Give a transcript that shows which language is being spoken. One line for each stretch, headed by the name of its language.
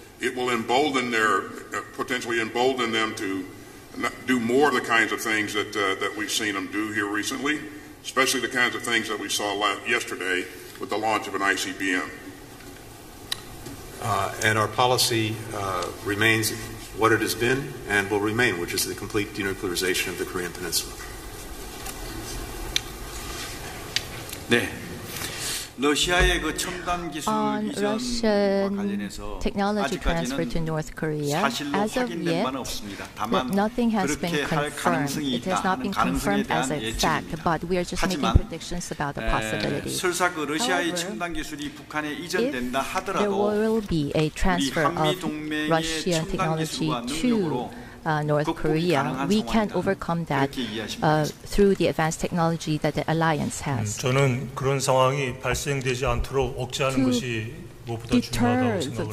English: it will embolden their, potentially embolden them to do more of the kinds of things that that we've seen them do here recently, especially the kinds of things that we saw yesterday with the launch of an ICBM. And our policy remains what it has been and will remain, which is the complete denuclearization of the Korean Peninsula.
Korean: 네. 러시아의 그 첨단 기술 이전
English: technology transfer to North Korea, as of yet, nothing has been confirmed. It has not been confirmed as a fact, but we are just making predictions about the possibility.
Korean: 설사 그 러시아의 첨단 기술이 북한에 이전된다 하더라도,
English: there will be a transfer of Russian technology to North Korea, we can't overcome that through the advanced technology that the alliance has.
Korean: 저는 그런 상황이 발생되지 않도록 억제하는
English: to
Korean: 것이 무엇보다 중요하다고 생각을 하고